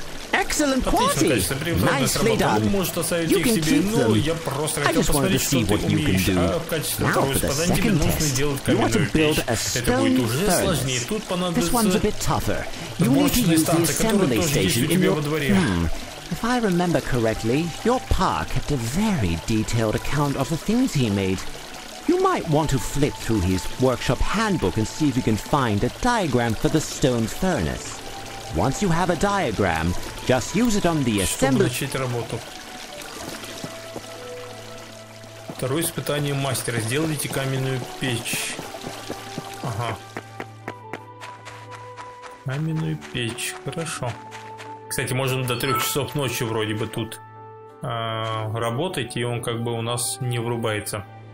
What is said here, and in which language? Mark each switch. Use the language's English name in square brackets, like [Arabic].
[Russian] Отлично, конечно, превосходно сработало. Может оставить их себе? Ну, я просто хотел посмотреть, что ты умеешь. А в качестве второго испытания тебе нужно сделать каменную печь. Это будет уже сложнее. Тут понадобится мощная станция, которую тоже есть у тебя во дворе. [English] If I remember correctly, your pa kept a very detailed account of the things he made. You might want to flip through his workshop handbook and see if you can find a diagram for the stone furnace. Once you have a diagram, just use it on the assembly... [Russian] Чтобы начать работу. Второе испытание мастера. Сделайте каменную печь. Ага. Каменную печь. Хорошо. Кстати, можно до 3 часов ночи вроде бы тут работать, и он как бы у нас не врубается.